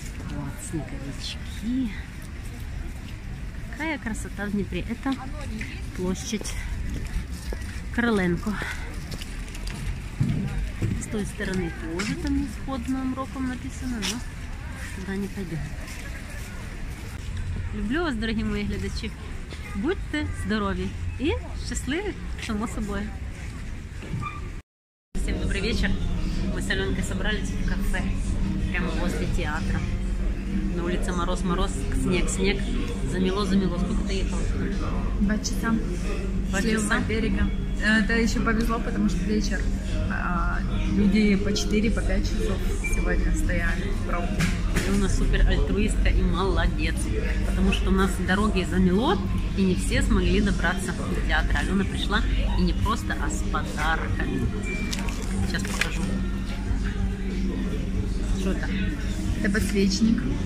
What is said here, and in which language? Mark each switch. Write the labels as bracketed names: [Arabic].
[Russian] Вот снеговички. Какая красота в Днепре. Это площадь Короленко. С той стороны тоже там с Ходным роком написано, но туда не пойдем. Люблю вас, дорогие мои [Ukrainian] глядачи. Будьте здорові і щасливі, само собою. Всім добрий вечір. Ми з Альонкою зібралися в кафе. [Russian] Прямо возле [Ukrainian] театру. На вулиці мороз, мороз, снег, снег. Заміло, заміло. Скільки ти їхала? [Russian] 2 часа. 2 часа? [Ukrainian] З берега. Це ще повезло, тому що вечір. Люди по 4-5 [Russian] часов [Ukrainian] сьогодні стояли в пробці. [Russian] Алена супер альтруистка и молодец, потому что у нас дороги замело, и не все смогли добраться в театр. Алена пришла и не просто, а с подарками. Сейчас покажу. Что это? Это подсвечник.